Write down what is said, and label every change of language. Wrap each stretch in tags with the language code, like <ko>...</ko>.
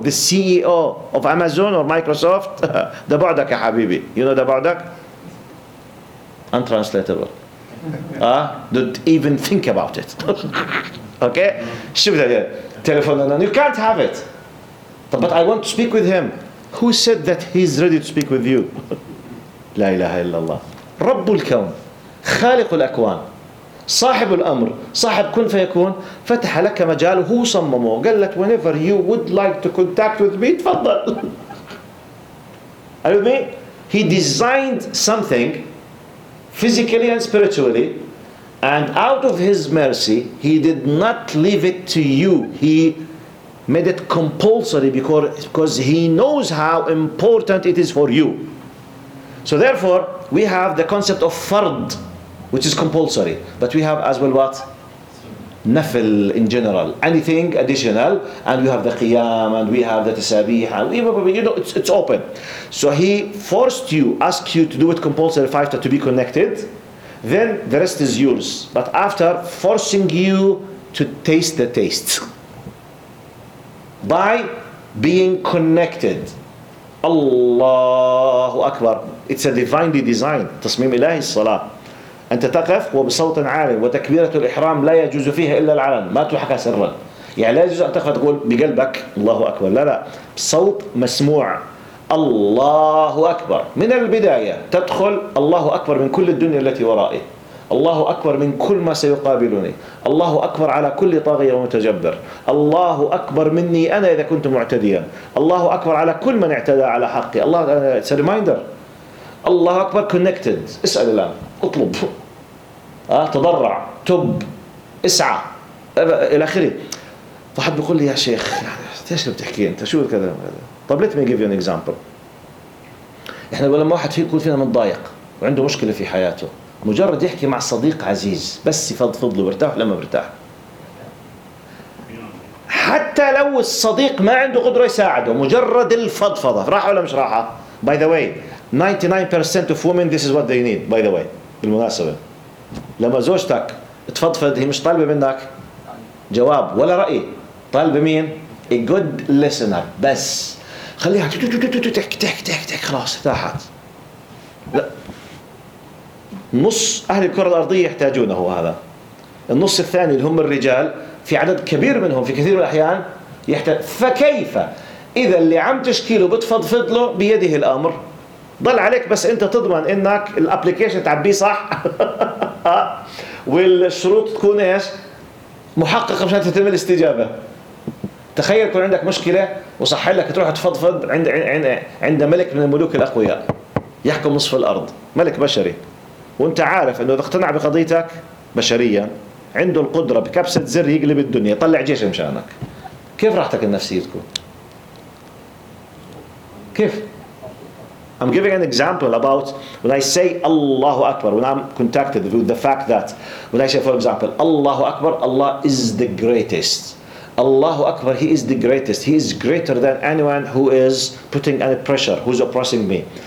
<en>The CEO of Amazon or Microsoft?</en> <ar>Da ba'dak, ya habibi.</ar> <en>You know</en> <ar>da ba'dak?</ar> <en>Untranslatable. Don't even think about it. Okay? Telephone number. You can't have it. But I want to speak with him. Who said that he's ready to speak with you?</en> <ar>La ilaha illallah. Rabbul kawm. خالق الأكوان صاحب الأمر صاحب كن فيكون فتح لك مجال هو صممه قال لك</ar> <en>whenever you would like to contact with me</en> <ar>تفضل.</ar> <en>Are you with me? He designed something physically and spiritually, and out of his mercy he did not leave it to you. He made it compulsory because he knows how important it is for you. So therefore we have the concept of fard, which is compulsory, but we have as well what? Nafil in general, anything additional, and we have the qiyam, and we have the tasabih, and it's open. So he forced you, asked you to do it compulsory 5 to be connected, then the rest is yours. But after forcing you to taste the taste by being connected. Allahu Akbar, it's a divinely designed tasmim ilahi salah.</en> <ar>أنت تقف وبصوت عالي وتكبيرة الإحرام لا يجوز فيها إلا العلن ما تحكى سرا. يعني لا يجوز أن تقف تقول بقلبك الله أكبر. لا صوت مسموع الله أكبر من البداية. تدخل الله أكبر من كل الدنيا التي ورائي، الله أكبر من كل ما سيقابلني، الله أكبر على كل طاغية ومتجبر، الله أكبر مني أنا إذا كنت معتديا، الله أكبر على كل من اعتدى على حقي.</ar> <en>الله it's a reminder.</en> <ar>الله أكبر</ar> <en>connected.</en> <ar>اسأل الآن، اطلب، تضرع، تب، اسعى الى اخره. فحد بيقول لي يا شيخ يعني ايش اللي بتحكي انت؟ شو الكلام هذا؟ طب</ar> <en>ليت مي جيف يو ان اكزامبل.</en> <ar>احنا لما واحد يكون فينا متضايق وعنده مشكله في حياته، مجرد يحكي مع صديق عزيز بس يفضفض له برتاح لما برتاح، حتى لو الصديق ما عنده قدره يساعده، مجرد الفضفضه راحه ولا مش راحه.</ar> <en>By the way 99% of women this is what they need. By the way,</en> <ar>بالمناسبة لما زوجتك تفضفض هي مش طالبة منك جواب ولا رأي، طالبة مين؟</ar> <en>a good listener.</en> <ar>بس خليها تحكي تحكي تحكي تحكي خلاص ارتاحت. نص أهل الكرة الأرضية يحتاجونه هو هذا. النص الثاني اللي هم الرجال، في عدد كبير منهم في كثير من الأحيان يحتاج. فكيف إذا اللي عم تشكيله بتفضفض له بيده الأمر؟ ضل عليك بس انت تضمن انك الابليكيشن تعبيه صح والشروط تكون ايش؟ محققه عشان تتم الاستجابه. تخيل يكون عندك مشكله وصح لك تروح تفضفض عند ملك من الملوك الاقوياء يحكم نصف الارض، ملك بشري، وانت عارف انه اذا اقتنع بقضيتك بشريا عنده القدره بكبسه زر يقلب الدنيا، يطلع جيش مشانك. كيف راحتك النفسيه تكون؟ كيف؟</ar> <en>I'm giving an example about when I say Allahu Akbar, when I'm contacted with the fact that when I say, for example, Allahu Akbar, Allah is the greatest. Allahu Akbar, He is the greatest. He is greater than anyone who is putting any pressure, who's oppressing me.</en>